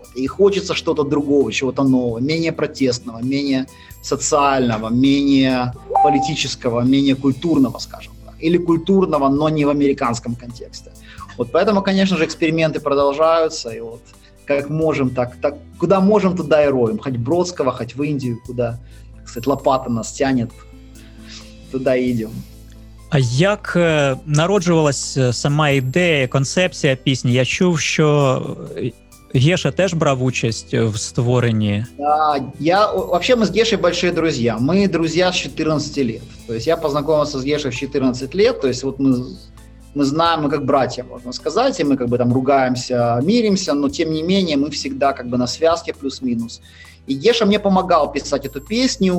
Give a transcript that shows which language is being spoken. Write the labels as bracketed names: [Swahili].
[Russian] И хочется что-то другого, чего-то нового, менее протестного, менее социального, менее политического, менее культурного, скажем так. Или культурного, но не в американском контексте. Вот поэтому, конечно же, эксперименты продолжаются. И вот как можем, так куда можем, туда и роем. Хоть Бродского, хоть в Индию, куда, так сказать, лопата нас тянет, туда и идем. [Ukrainian] А як народжувалась сама ідея, концепція пісні? Я чув, що Геша теж брав участь в створенні. [Russian] Вообще, мы с Гешей большие друзья. Мы друзья с 14 лет. То есть я познакомился с Гешей в 14 лет. То есть вот мы знаем, мы как братья, можно сказать. И мы как бы там ругаемся, миримся. Но тем не менее, мы всегда как бы на связке плюс-минус. И Геша мне помогал писать эту песню.